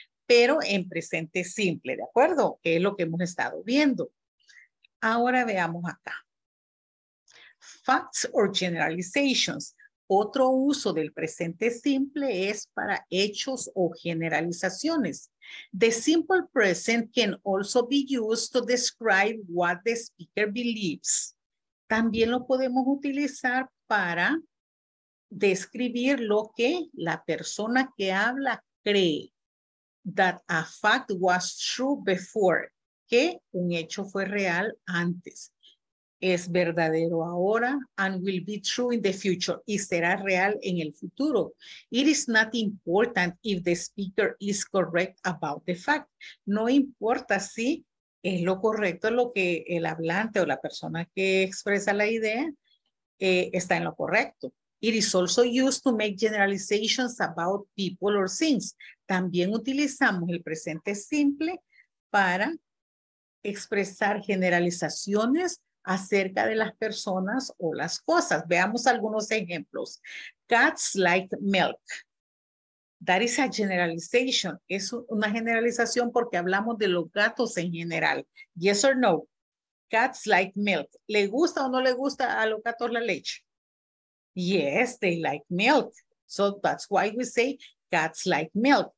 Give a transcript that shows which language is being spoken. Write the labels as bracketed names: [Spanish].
[Spanish] Pero en presente simple, ¿de acuerdo? Que es lo que hemos estado viendo. Ahora veamos acá. [English] Facts or generalizations. [Spanish] Otro uso del presente simple es para hechos o generalizaciones. [English] The simple present can also be used to describe what the speaker believes. [Spanish] También lo podemos utilizar para describir lo que la persona que habla cree. [English] That a fact was true before, [Spanish] que un hecho fue real antes, es verdadero ahora, [English] and will be true in the future, [Spanish] y será real en el futuro. [English] It is not important if the speaker is correct about the fact. [Spanish] No importa si es lo correcto lo que el hablante o la persona que expresa la idea está en lo correcto. [English] It is also used to make generalizations about people or things. [Spanish] También utilizamos el presente simple para expresar generalizaciones acerca de las personas o las cosas. Veamos algunos ejemplos. [English] Cats like milk. That is a generalization. [Spanish] Es una generalización porque hablamos de los gatos en general. [English] Yes or no? Cats like milk. [Spanish] ¿Le gusta o no le gusta a los gatos la leche? [English] Yes, they like milk. So that's why we say cats like milk.